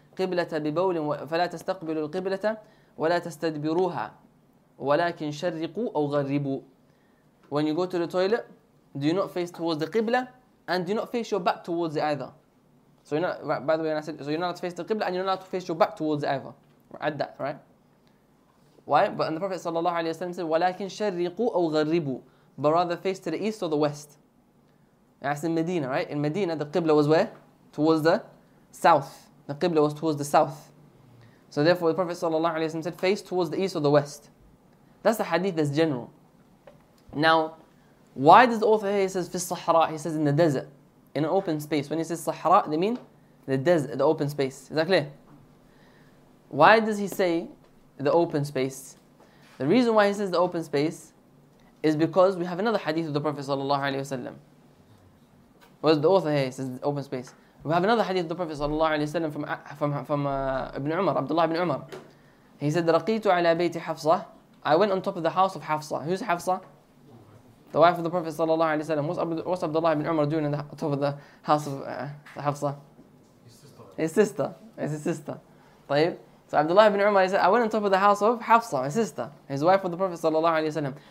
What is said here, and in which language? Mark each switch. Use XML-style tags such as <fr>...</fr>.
<ar>قبلة ببول فلا تستقبلوا القبلة ولا تستدبروها ولكن شرقوا أو غربوا.</ar> <en>When you go to the toilet, do you not face towards the qibla and do you not face your back towards it either? So you're not, right, by the way, when I said, so you're not to face the qibla and you're not to face your back towards it either. Add that, right? Why? But and the Prophet sallallahu alaihi wasallam said,</en> <ar>ولكن شرقوا أو غربوا,</ar> <en>but rather face to the east or the west. As in Medina, right? In Medina, the qibla was where? Towards the south. The qibla was towards the south. So therefore, the Prophet sallallahu alaihi wasallam said, face towards the east or the west. That's the hadith that's general. Now, why does the author here, he says,</en> <ar>في الصحراء,</ar> <en>he says in the desert, in an open space. When he says صحراء, they mean the desert, the open space. Is that clear? Why does he say the open space? The reason why he says the open space is because we have another hadith of the Prophet sallallahu alaihi wasallam. Was the author here, he says open space. We have another hadith of the Prophet sallallahu alaihi wasallam from Ibn Umar, Abdullah ibn Umar.</en> <ar>He said, رقيت على بيت حفصة.</ar> <en>I went on top of the house of Hafsa. Who's Hafsa? The wife of the Prophet sallallahu alaihi wasallam. What's Abdullah ibn Umar doing on the top of the house of Hafsa? His sister. طيب. So Abdullah ibn Umar, he said, I went on top of the house of Hafsa, his sister, his wife of the Prophet sallallahu alaihi wasallam.</en>